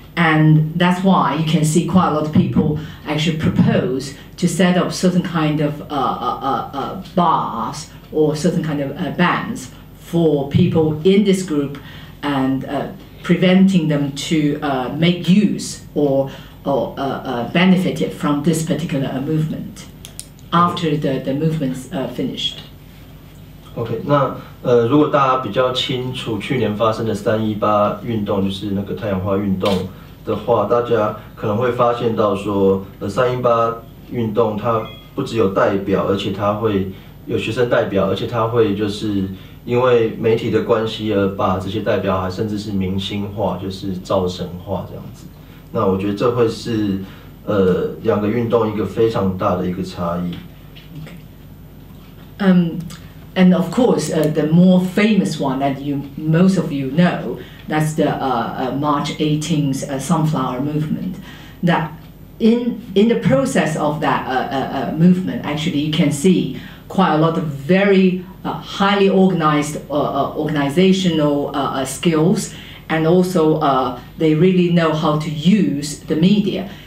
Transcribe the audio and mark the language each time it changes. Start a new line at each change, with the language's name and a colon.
English: And that's why you can see quite a lot of people actually propose to set up certain kind of bars or certain kind of bans for people in this group and preventing them to make use or benefit it from this particular movement after the movement's finished.
Chinese: OK, 那如果大家比较清楚去年发生的318运动，就是那个太阳花运动的话，大家可能会发现到说，318运动它不只有代表，而且它会有学生代表，而且它会就是因为媒体的关系而把这些代表还甚至是明星化，就是造神化这样子。那我觉得这会是两个运动一个非常大的一个差异。
English: And of course, the more famous one that you most of you know, that's the March 18th Sunflower Movement. That in the process of that movement, actually, you can see quite a lot of very highly organized organizational skills, and also they really know how to use the media.